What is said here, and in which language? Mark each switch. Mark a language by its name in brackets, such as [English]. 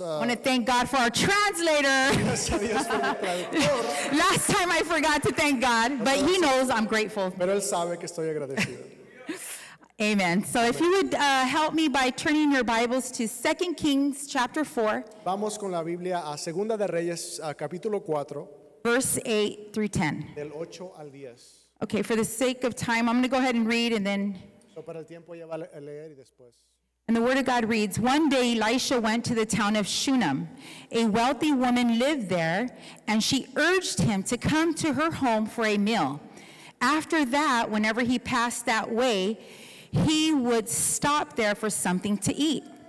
[English] I want to thank God for our translator. Last time I forgot to thank God, but he knows I'm grateful. [Spanish] Pero él sabe que estoy agradecido. [English] Amen. So Amen. If you would help me by turning your Bibles to 2 Kings chapter 4. [Spanish] Vamos con la Biblia a Segunda de Reyes, capítulo 4. [English] Verse 8 through 10. [Spanish] Del 8 al 10. [English] Okay, for the sake of time, I'm going to go ahead and read and then... [Spanish] So para el tiempo ya va a leer y después... [English] And the word of God reads, one day Elisha went to the town of Shunem. A wealthy woman lived there, and she urged him to come to her home for a meal. After that, whenever he passed that way, he would stop there for something to eat.